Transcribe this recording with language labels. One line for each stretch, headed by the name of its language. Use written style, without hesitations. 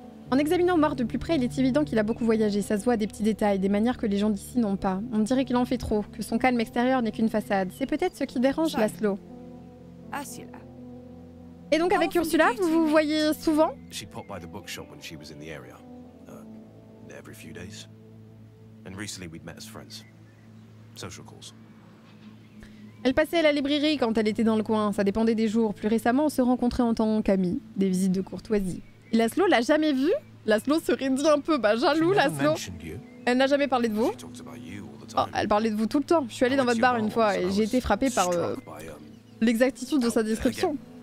French: En examinant Mort de plus près, il est évident qu'il a beaucoup voyagé. Ça se voit à des petits détails, des manières que les gens d'ici n'ont pas. On dirait qu'il en fait trop, que son calme extérieur n'est qu'une façade. C'est peut-être ce qui dérange Laszlo. Asila. Et donc avec Ursula, vous vous voyez souvent ?
English: She popped by the bookshop when she was in the area. Every few days. And recently we'd met as friends. Social calls.
French: Elle passait à la librairie quand elle était dans le coin. Ça dépendait des jours. Plus récemment, on se rencontrait en tant qu'amis. Des visites de courtoisie. Et Laszlo l'a jamais vu ? Laszlo se rédit un peu. Bah jaloux, Laszlo. Elle n'a jamais parlé de vous. Oh, elle parlait de vous tout le temps. Je suis allée dans votre bar une fois et j'ai été frappée par l'exactitude de sa description.